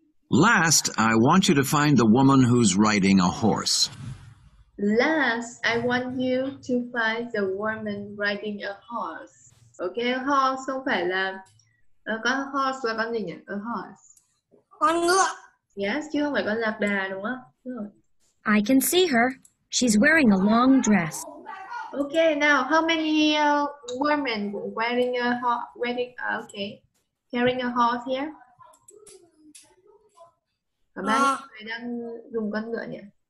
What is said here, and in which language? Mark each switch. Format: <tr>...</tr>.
<en>Last, I want you to find the woman who's riding a horse. Last, I want you to find the woman riding a horse.</en> <vi>Okay, horse không phải là con horse là con gì nhỉ?</vi> <en>A horse.</en> <vi>Con ngựa. Yes, chứ không phải con lạc đà đúng không?</vi> <en>Good. I can see her. She's wearing a long dress. Okay, now how many women wearing a horse? Wearing okay, carrying a horse here.</en> <vi>Có bao nhiêu người đang dùng con ngựa nhỉ?</vi>